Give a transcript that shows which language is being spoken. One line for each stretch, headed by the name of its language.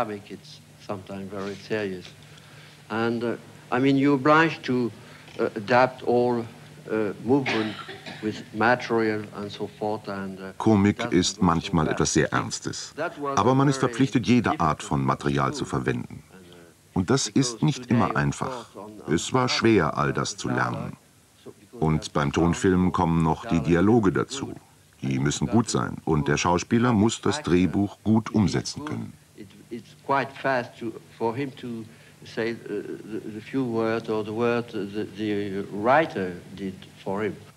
English: It's sometimes very serious, and I mean you're obliged to adapt all movement with material and so forth. And
German: Komik ist manchmal etwas sehr Ernstes, aber man ist verpflichtet, jede Art von Material zu verwenden, und das ist nicht immer einfach. Es war schwer, all das zu lernen, und beim Tonfilm kommen noch die Dialoge dazu. Die müssen gut sein, und der Schauspieler muss das Drehbuch gut umsetzen können.
English: It's quite fast to, for him to say the few words or the words the writer did for him.